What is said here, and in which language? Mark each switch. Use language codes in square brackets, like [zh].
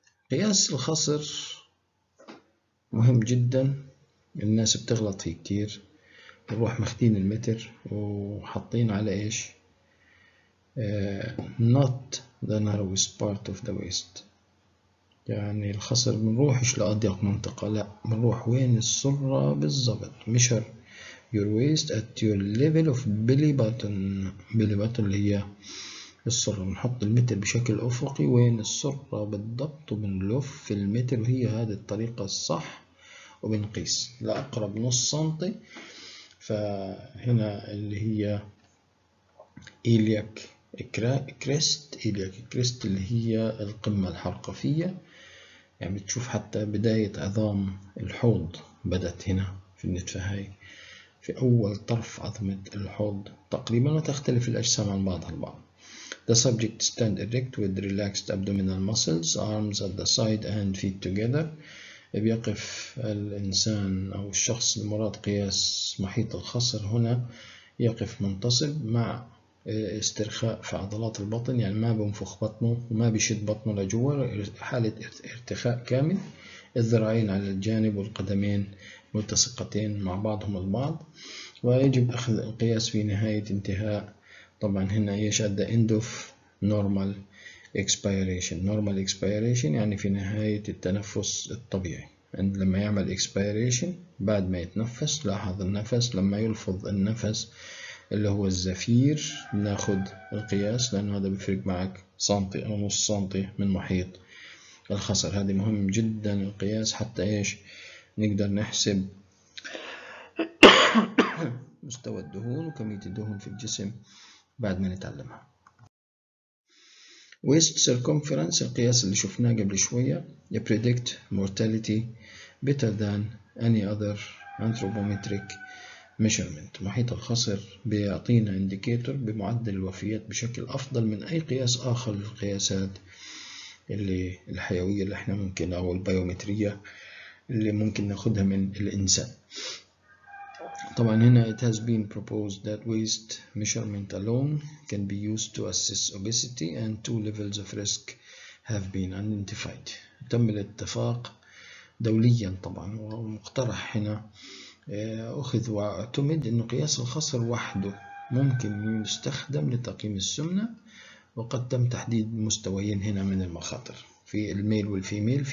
[ar] قياس الخصر مهم جدا، الناس بتغلط فيه كتير. نروح مخدين المتر وحاطين على ايش؟ [en] not the narrowest part of the waist، [ar] يعني الخصر بنروحش لأضيق منطقة، لأ بنروح وين السرة بالضبط. [en] measure your waist at your level of belly button. [ar] belly button اللي هي السرة، بنحط المتر بشكل أفقي وين السرة بالضبط، وبنلف في المتر، وهي هذه الطريقة الصح، وبنقيس لأقرب نص سنتي. فهنا اللي هي إيلياك كريست، إيلياك كريست اللي هي القمة الحرقفية، يعني بتشوف حتى بداية عظام الحوض بدأت هنا في النتفة، هاي في أول طرف عظمة الحوض تقريبا، وتختلف الأجسام عن بعضها البعض. [en] The subject stand erect with relaxed abdominal muscles, arms at the side and feet together. [ar] بيقف الإنسان أو الشخص المراد قياس محيط الخصر هنا، يقف منتصب مع استرخاء في عضلات البطن، يعني ما بنفخ بطنه وما بيشد بطنه لجوا، حالة ارتخاء كامل. الذراعين على الجانب والقدمين ملتصقتين مع بعضهم البعض، ويجب أخذ القياس في نهاية انتهاء. طبعا هنا يشهد [en] the end of normal expiration. [ar] normal expiration يعني في نهاية التنفس الطبيعي، عند لما يعمل expiration بعد ما يتنفس، لاحظ النفس لما يلفظ النفس اللي هو الزفير، ناخد القياس لأن هذا بيفرق معك سنتي أو نص سنتي من محيط الخصر. هذه مهم جدا القياس، حتى إيش نقدر نحسب مستوى الدهون وكمية الدهون في الجسم بعد ما نتعلمها. [en] waist circumference [ar] القياس اللي شفناه قبل شوية، [en] predict mortality better than any other anthropometric measurement. [ar] محيط الخصر بيعطينا انديكيتور بمعدل الوفيات بشكل أفضل من أي قياس آخر للقياسات اللي الحيوية اللي احنا ممكن، أو البيومترية اللي ممكن ناخدها من الإنسان. طبعا هنا [en] it has been proposed that waist measurement alone can be used to assess obesity and two levels of risk have been identified. [ar] تم الاتفاق دوليا طبعا، ومقترح هنا أخذ واعتمد أن قياس الخصر وحده ممكن يستخدم لتقييم السمنة، وقد تم تحديد مستويين هنا من المخاطر في الميل والفيميل.